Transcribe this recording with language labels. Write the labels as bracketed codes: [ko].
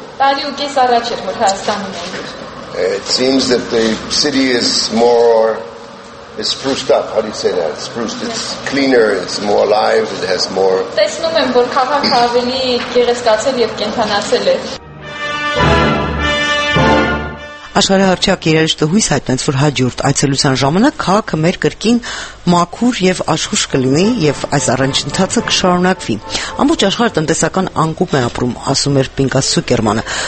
[hy] Տարի ու կես առաջ էր, որ Հայաստանում էինք։ [en] It seems that the city is more It's spruced up, how do you say that? Spruced, it's cleaner, it's more alive, it has more... [hy] տեսնում եմ, որ քաղաքը ավելի գեղեցկացել և կենդանացել է։ Աշխարհահռչակ երաժիշտը հույս հայտնեց, որ հաջորդ այցելության ժամանակ քաղաքը մեր կրկին մաքուր և աշխույժ կլինի, և այս առաջընթացը կշարունակվի։ Ամբողջ աշխարհը տնտեսական անկում է ապրում, ասում էր Պինկաս Ցուկերմանը։